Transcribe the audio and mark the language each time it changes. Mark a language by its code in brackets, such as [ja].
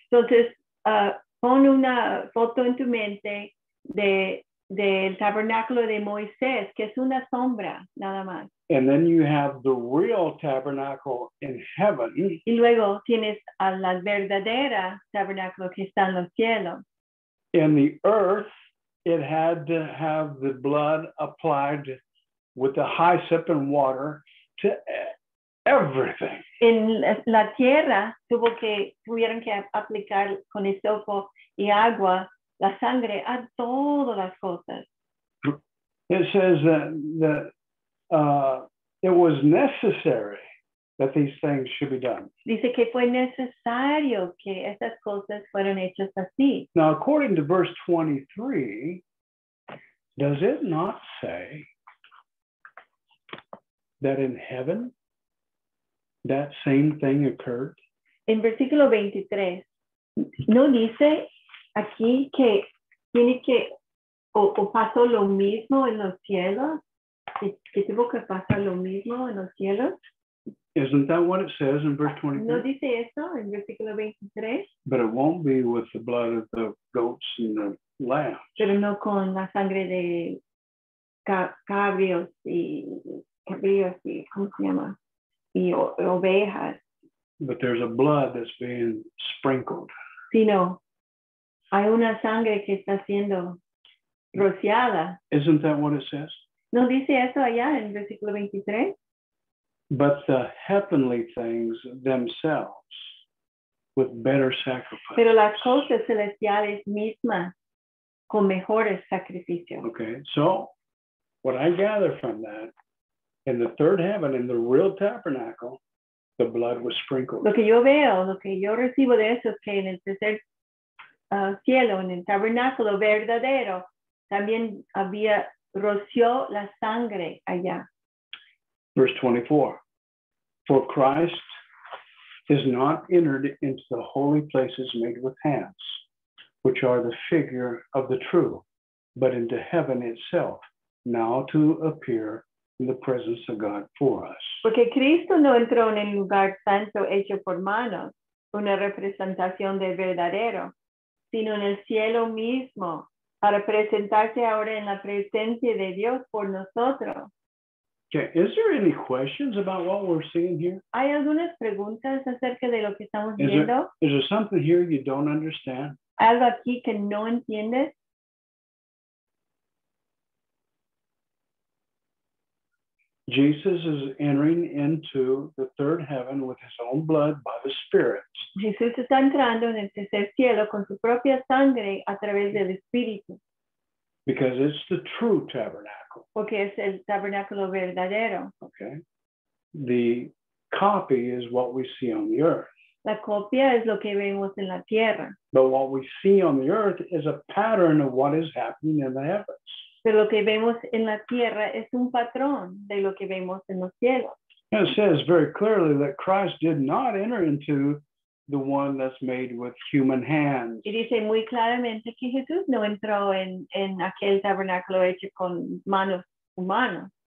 [es] Entonces, pon una foto en tu mente del tabernáculo de Moisés, que es una sombra, nada más. [en] And then you have the real tabernacle in heaven. [es] Y luego tienes a la verdadera tabernáculo que está en los cielos. [en] And the earth. It had to have the blood applied with the hyssop and water to everything. [es] En la tierra tuvieron que aplicar con hisopo y agua la sangre a todas las cosas. [en] It says that it was necessary that these things should be done. [es] Dice que fue necesario que estas cosas fueran hechas así. [en] Now, according to verse 23, does it not say that in heaven that same thing occurred? [es] En versículo 23, ¿no dice aquí que tiene que o pasó lo mismo en los cielos? ¿Que tuvo que pasar lo mismo en los cielos? [en] Isn't that what it says in verse 23? [es] No dice eso en versículo 23. [en] But it won't be with the blood of the goats and the lambs. [es] Pero no con la sangre de cabrios y ¿cómo se llama? Y ovejas. [en] But there's a blood that's being sprinkled. [es] Sí, no. Hay una sangre que está siendo rociada. [en] Isn't that what it says? [es] No dice eso allá en versículo 23. [en] But the heavenly things themselves with better sacrifices. [es] Pero las cosas celestiales mismas con mejores sacrificios. [en] Okay, so what I gather from that, in the third heaven, in the real tabernacle, the blood was sprinkled. [es] Lo que yo veo, lo que yo recibo de eso es que en el tercer cielo, en el tabernáculo verdadero, también había roció la sangre allá. [en] Verse 24, for Christ is not entered into the holy places made with hands, which are the figure of the true, but into heaven itself, now to appear in the presence of God for us. [es] Porque Cristo no entró en el lugar santo hecho por manos, una representación del verdadero, sino en el cielo mismo, para presentarse ahora en la presencia de Dios por nosotros. [en] Okay, is there any questions about what we're seeing here? [es] ¿Hay algunas preguntas acerca de lo que estamos viendo? [en] Is there something here you don't understand? [es] ¿Algo aquí que no entiendes? [en] Okay. Jesus is entering into the third heaven with his own blood by the Spirit. [es] Jesús está entrando en el tercer cielo con su propia sangre a través del Espíritu. [en] Because it's the true tabernacle. [es] Porque es el tabernáculo verdadero. [en] Okay. The copy is what we see on the earth. [es] La copia es lo que vemos en la tierra. [en] But what we see on the earth is a pattern of what is happening in the heavens. [es] Pero lo que vemos en la tierra es un patrón de lo que vemos en los cielos. [en] And it says very clearly that Christ did not enter into the one that's made with human hands. [es] Y dice muy claramente que Jesús no entró en aquel tabernáculo hecho con manos humanas.